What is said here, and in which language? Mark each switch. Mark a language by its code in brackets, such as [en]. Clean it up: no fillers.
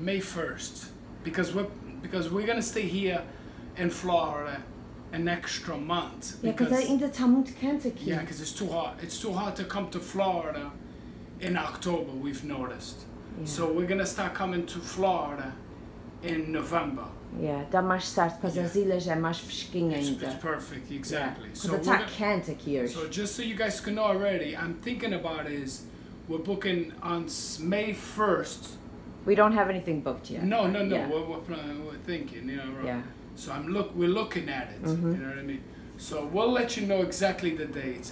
[en] May 1st. Because we're going to stay here... in Florida an extra month because yeah, [pt] ainda está muito quente aqui. [en] Yeah, because it's too hot to come to Florida in October, we've noticed. So we're gonna start coming to Florida in November. [pt] Yeah, dá mais certo, porque as ilhas é mais fresquinha ainda. [en] It's perfect, exactly. Yeah. So it's not Cantic here. So just so you guys can know already, I'm thinking about is we're booking on May 1st. We don't have anything booked yet. No. Yeah. We're thinking, you know. Right? Yeah. So we're looking at it, mm-hmm. You know what I mean? So we'll let you know exactly the dates.